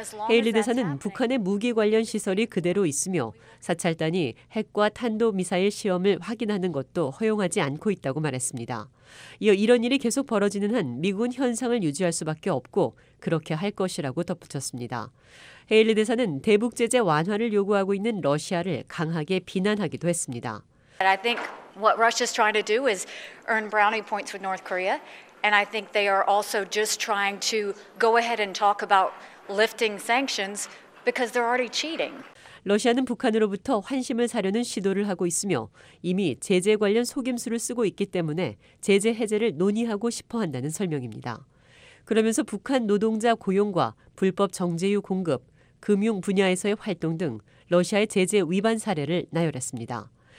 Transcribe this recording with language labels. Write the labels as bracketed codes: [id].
[ko] 헤일리 대사는 북한의 무기 관련 시설이 그대로 있으며 사찰단이 핵과 탄도미사일 시험을 확인하는 것도 허용하지 않고 있다고 말했습니다. 이어 이런 일이 계속 벌어지는 한 미군 현상을 유지할 수밖에 없고 그렇게 할 것이라고 덧붙였습니다. 헤일리 대사는 대북 제재 완화를 요구하고 있는 러시아를 강하게 비난하기도 했습니다. [en] I think what Russia is trying to do is earn brownie points with North Korea. And I think they are also just trying to go ahead and talk about lifting sanctions because they're already cheating. [ko] 러시아는 북한으로부터 환심을 사려는 시도를 하고 있으며 이미 제재 관련 속임수를 쓰고 있기 때문에 제재 해제를 논의하고 싶어 한다는 설명입니다. 그러면서 북한 노동자 고용과 불법 정제유 공급, 금융 분야에서의 활동 등 러시아의 제재 위반 사례를 나열했습니다.